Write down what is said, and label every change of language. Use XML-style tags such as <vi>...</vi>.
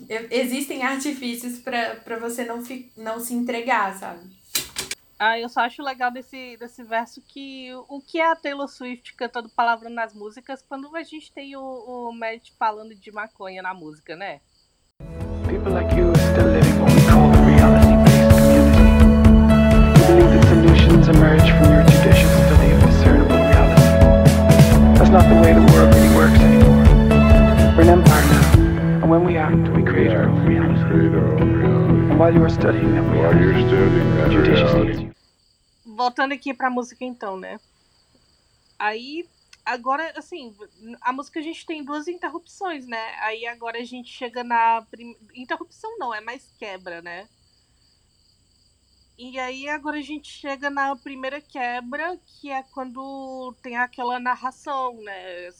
<pt>Existem artifícios para você não se entregar, sabe? Ah, eu só acho legal desse verso que o que é a Taylor Swift cantando palavrão nas músicas quando a gente tem o Matt falando de maconha na música, né?</pt> <en>People like you are still living what we call the reality-based community. You believe that solutions emerge from your judicious study of discernible reality. That's not the way the world really works anymore. We're an empire now. And when we act, we create our own reality. And while you are studying that reality, judiciously.</en> <pt>Voltando aqui para a música, então, né? Aí, agora, assim, a música a gente tem duas interrupções, né? Aí agora a gente chega na interrupção não, é mais quebra, né? E aí agora a gente chega na primeira quebra, que é quando tem aquela narração, né?</pt>